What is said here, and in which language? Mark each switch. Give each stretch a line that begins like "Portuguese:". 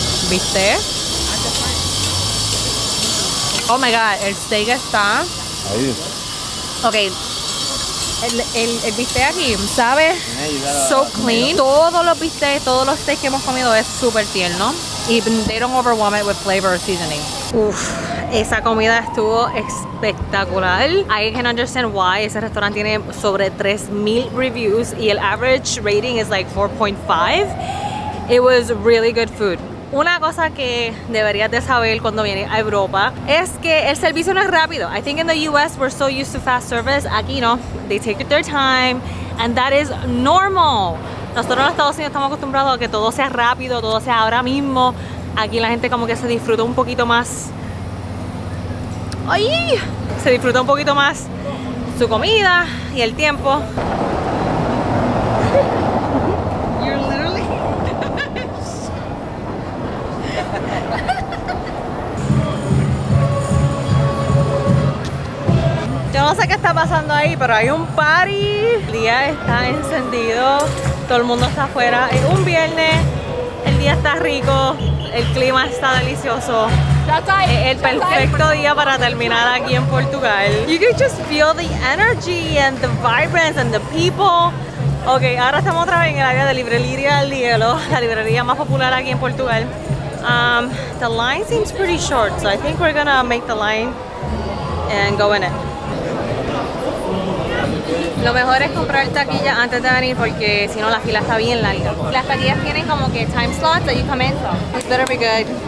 Spanish: ¿Viste?
English: Oh my god,
Spanish: el steak está. Ahí. Ok. El bistec aquí, ¿sabes?
English: So clean.
Spanish: Todos los bistecs, todos los steaks que hemos comido es súper tierno.
English: Y they don't overwhelm it with flavor or seasoning.
Spanish: Uff, esa comida estuvo espectacular.
English: I can understand why
Spanish: ese restaurante tiene sobre
English: 3,000 reviews y el average rating is like 4.5. It was really good food.
Spanish: Una cosa que deberías de saber cuando vienes a Europa es que el servicio no es rápido.
English: I think in the US we're so used to fast service.
Spanish: Aquí no,
English: they take their time and that is normal.
Spanish: Nosotros en Estados Unidos estamos acostumbrados a que todo sea rápido, todo sea ahora mismo. Aquí la gente como que se disfruta un poquito más. ¡Ay! Se disfruta un poquito más su comida y el tiempo. Yo no sé qué está pasando ahí, pero hay un party. El día está encendido, todo el mundo está afuera. Es un viernes, el día está rico, el clima está delicioso. Es el perfecto día para terminar aquí en Portugal.
English: You can just feel the energy and the vibrance and the people.
Spanish: Ok, ahora estamos otra vez en el área de Librería del Hielo, la librería más popular aquí en Portugal.
English: The line seems pretty short, so I think we're gonna make the line and go in it.
Spanish: Lo mejor es comprar taquilla antes de venir porque si no la fila está bien larga. Las taquillas tienen como que
English: time slots that you come in. This better be good.